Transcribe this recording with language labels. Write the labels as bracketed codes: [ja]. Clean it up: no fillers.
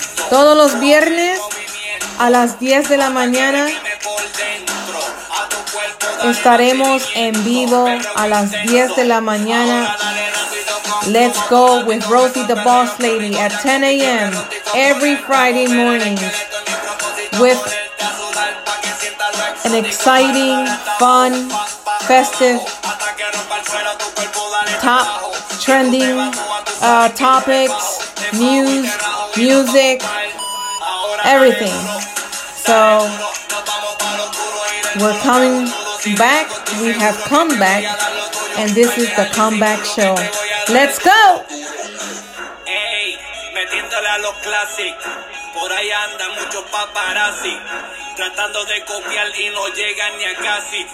[es] Todos los viernes a las 10 de la mañana estaremos en vivo a las 10 de la mañana [en] Let's Go with Rosie the Boss Lady at 10 a.m. every Friday morning with an exciting, fun, festive, top trending topics, news, music, everything. So we're coming back. We have come back, and this is the comeback show. Let's go. [es] Hey, metiéndole a los clásicos. Por ahí andan muchos paparazzi tratando de copiar y no llegan ni a casi.